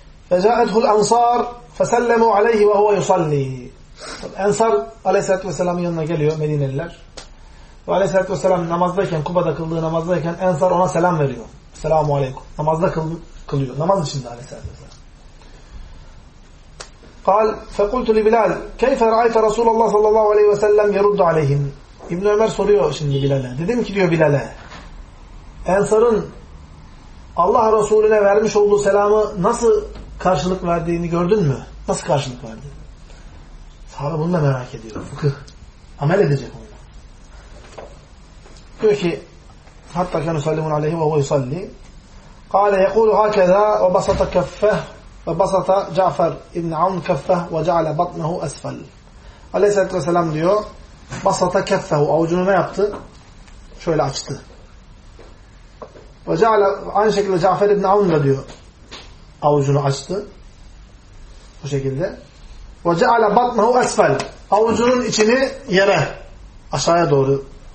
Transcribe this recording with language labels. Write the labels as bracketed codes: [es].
[ar] فَجَاءَتْهُ الْاَنْصَارِ فَسَلَّمُوا عَلَيْهِ وَهُوَ يُصَلِّي. [tr] Ensar aleyhissalatü vesselamın yanına geliyor Medineliler. Ve aleyhissalatü vesselam namazdayken, Kuba'da kıldığı namazdayken Ensar ona selam veriyor. Selamu aleyküm. Namazda kılıyor. Namaz içinde aleyhissalatü vesselam. [ar] قال فقلت لبلال كيف رأيت رسول الله صلى الله عليه وسلم يرد عليهم. [tr] İbn Ömer soruyor şimdi Bilal'e. Dedim ki diyor Bilal'e, Ensar'ın Allah Resulüne vermiş olduğu selamı nasıl karşılık verdiğini gördün mü? Nasıl karşılık verdi? Sahabe bunu da merak ediyor. Fıkıh. Amel edecek onu. Diyor ki [ar] hatta kan sallimun aleyhi ve huve salli. قال يقول هكذا وبسط كفه فَبَسَطَ جَعْفَرْ اِبْنِ عَوْنْ كَفَّهُ وَجَعْلَ بَطْنَهُ أَسْفَلْ. [tr] Aleyhisselatü Vesselam diyor, [ar] basata كَفَّهُ, [tr] avucunu ne yaptı? Şöyle açtı. [ar] وَجَعْلَ, [tr] aynı şekilde Cafer İbn-i Avun da diyor, avucunu açtı. Bu şekilde. [ar] وَجَعْلَ بَطْنَهُ أَسْفَلْ, [tr] avucunun içini yere, aşağıya doğru.